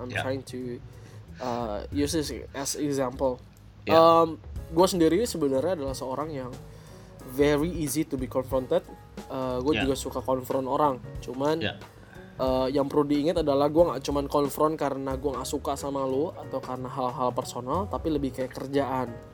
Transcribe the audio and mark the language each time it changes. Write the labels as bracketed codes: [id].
[en] I'm trying to use this as example. Yeah. [id] Gue sendiri sebenarnya adalah seorang yang [en] very easy to be confronted. [id] Gue juga suka konfront orang. Cuman yang perlu diingat adalah gue gak cuman konfront karena gue gak suka sama lo atau karena hal-hal personal, tapi lebih kayak kerjaan.